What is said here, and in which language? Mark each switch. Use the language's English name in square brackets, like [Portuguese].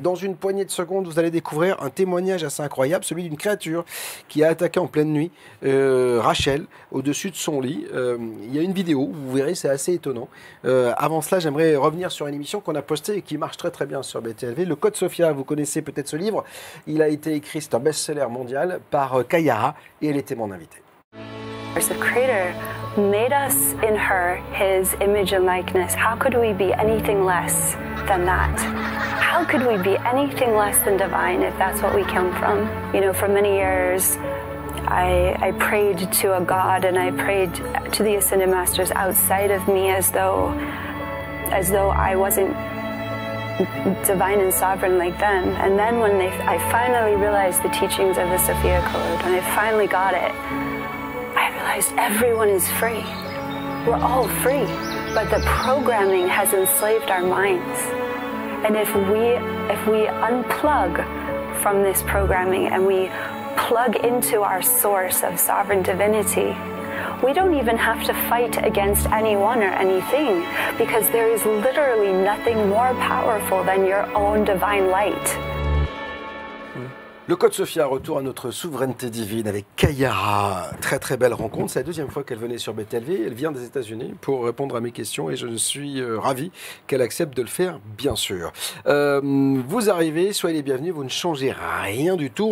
[French] Dans une poignée de secondes, vous allez découvrir un témoignage assez incroyable, celui d'une créature qui a attaqué en pleine nuit Rachel au-dessus de son lit. Il y a une vidéo, vous verrez, c'est assez étonnant. Avant cela, j'aimerais revenir sur une émission qu'on a postée et qui marche très très bien sur BTLV. Le Code Sophia, vous connaissez peut-être ce livre. Il a été écrit, c'est un best-seller mondial, par Kayara. Et elle était mon invitée. [English] The Creator made us in her his image and likeness. How could we be anything less than that? How could we be anything less than divine if that's what we come from? You know, for many years I prayed to a god and I prayed to the ascended masters outside of me as though I wasn't divine and sovereign like them. And then when I finally realized the teachings of the Sophia Code, when I finally got it, I realized everyone is free. We're all free. But the programming has enslaved our minds. And if we unplug from this programming and we plug into our source of sovereign divinity, we don't even have to fight against anyone or anything, because there is literally nothing more powerful than your own divine light. [French] Le Code Sophia, retour à notre souveraineté divine avec Kayara. Très très belle rencontre. C'est la deuxième fois qu'elle venait sur BTLV. Elle vient des États-Unis pour répondre à mes questions et je suis ravi qu'elle accepte de le faire, bien sûr. Vous arrivez, soyez les bienvenus, vous ne changez rien du tout.